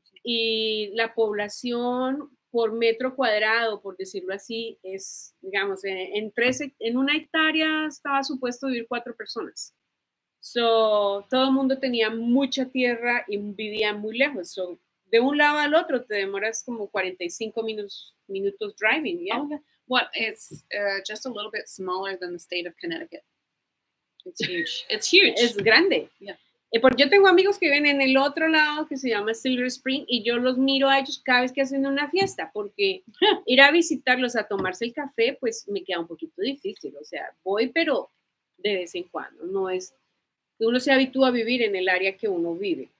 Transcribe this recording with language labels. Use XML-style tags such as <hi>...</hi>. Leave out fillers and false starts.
<es>Y la población por metro cuadrado, por decirlo así, es, digamos, en una hectárea estaba supuesto vivir 4 personas. So, todo el mundo tenía mucha tierra y vivía muy lejos. So, de un lado al otro te demoras como 45 minutos driving, ¿ya? Okay.</es> <en>What it's just a little bit smaller than the state of Connecticut. It's huge. It's huge.</en> <es>Es grande. Yeah. Y porque yo tengo amigos que viven en el otro lado que se llama Silver Spring y yo los miro a ellos cada vez que hacen una fiesta porque ir a visitarlos a tomarse el café pues me queda un poquito difícil. O sea, voy pero de vez en cuando. No es que uno se habitúa a vivir en el área que uno vive.</es>